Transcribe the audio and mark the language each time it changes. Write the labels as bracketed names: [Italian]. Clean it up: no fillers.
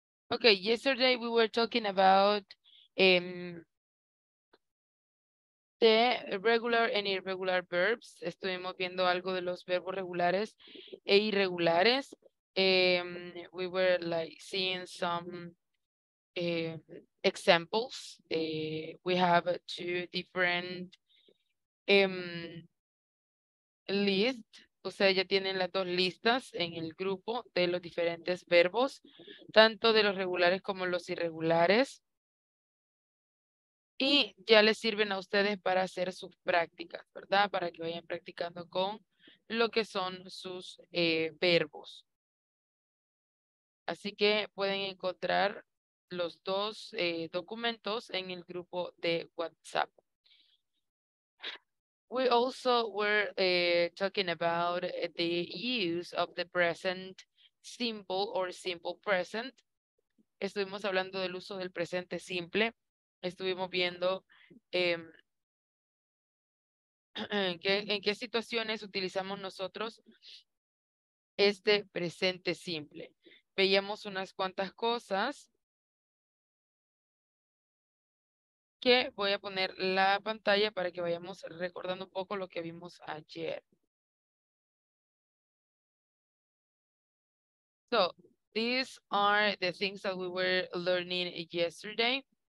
[English] Okay, yesterday we were talking about the regular and irregular verbs. [Spanish] Estuvimos viendo algo de los verbos regulares e irregulares. [English] We were like seeing some examples. We have two different lists. [Spanish] Ustedes ya tienen las dos listas en el grupo de los diferentes verbos, tanto de los regulares como los irregulares. Y ya les sirven a ustedes para hacer sus prácticas, ¿verdad? Para que vayan practicando con lo que son sus verbos. Así que pueden encontrar los dos documentos en el grupo de WhatsApp. [English] We also were talking about the use of the present simple or simple present. [Spanish] Estuvimos hablando del uso del presente simple. Estuvimos viendo en qué situaciones utilizamos nosotros este presente simple. Veíamos unas cuantas cosas que voy a poner la pantalla para que vayamos recordando un poco lo que vimos ayer. [English] So, these are the things that we were learning yesterday.